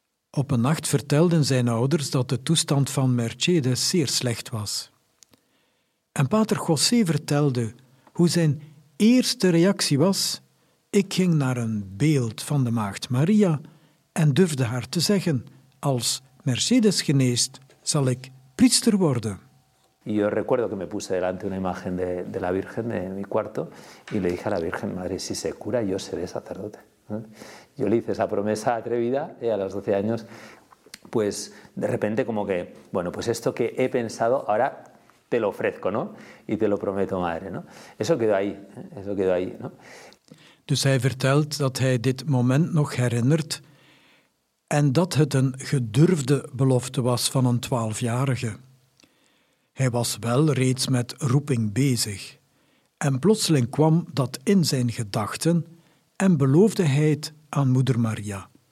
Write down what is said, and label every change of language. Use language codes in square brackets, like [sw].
[nl] Op een nacht vertelden zijn ouders dat de toestand van Mercedes zeer slecht was. En pater José vertelde hoe zijn eerste reactie was: ik ging naar een beeld van de maagd Maria en durfde haar te zeggen: als Mercedes geneest, zal ik priester worden. [es] Yo recuerdo que me puse delante una imagen de la Virgen en mi cuarto y le dije a la Virgen: madre, si se cura, yo seré sacerdote. Yo le hice esa promesa atrevida a los 12 años, pues de repente como que, bueno, pues esto que he pensado ahora te lo ofrezco, ¿no? Y te lo prometo, madre, ¿no? Eso quedó ahí, eso quedó ahí, ¿no? [nl] Dus hij vertelt dat hij dit moment nog herinnert en dat het een gedurfde belofte was van een 12-jarige. Hij was wel reeds met roeping bezig en plotseling kwam dat in zijn gedachten en beloofde hij het aan moeder Maria.